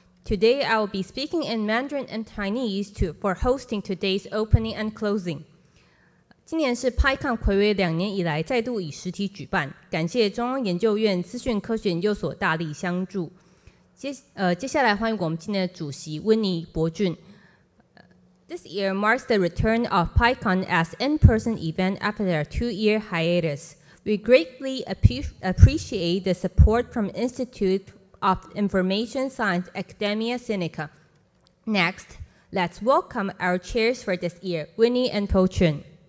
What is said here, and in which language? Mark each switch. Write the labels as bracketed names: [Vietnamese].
[English] Today I will be speaking in Mandarin and Chinese for hosting today's opening and closing. [Chinese] 今年是 PyCon 暌违两年以来再度以实体举办，感谢中央研究院资讯科学研究所大力相助。接下来欢迎我们今天的主席温妮博俊。 [English] This year marks the return of PyCon as in-person event after a two-year hiatus. We greatly appreciate the support from Institute of Information Science Academia Sinica. Next, let's welcome our chairs for this year, Win Nhi and Po Chun.